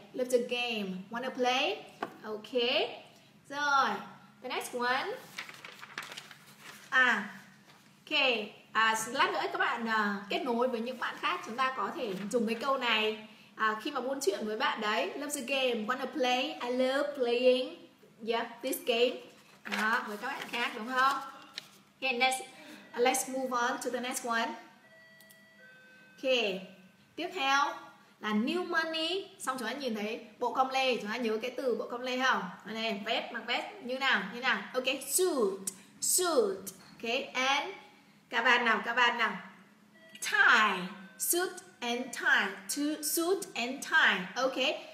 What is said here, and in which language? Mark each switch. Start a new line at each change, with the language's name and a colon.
English: Love the game, wanna play?
Vietnamese: Ok, rồi.
English: The next one. À, ok.
Vietnamese: À, lát nữa các bạn kết nối với những bạn khác, chúng ta có thể dùng cái câu này khi mà buôn chuyện với bạn đấy.
English: Love the game, wanna play, I love playing, yeah, this game.
Vietnamese: Đó, với các bạn khác, đúng không?
English: Okay, next, let's move on to the next one.
Vietnamese: Okay, tiếp theo là new money. Xong chúng ta nhìn thấy bộ com lê, chúng ta nhớ cái từ bộ com lê không? Này, vest, mặc vest như nào, như nào?
English: Ok, suit, suit, okay, and
Vietnamese: các bạn nào, các bạn nào,
English: tie, suit and tie, to suit and tie, ok.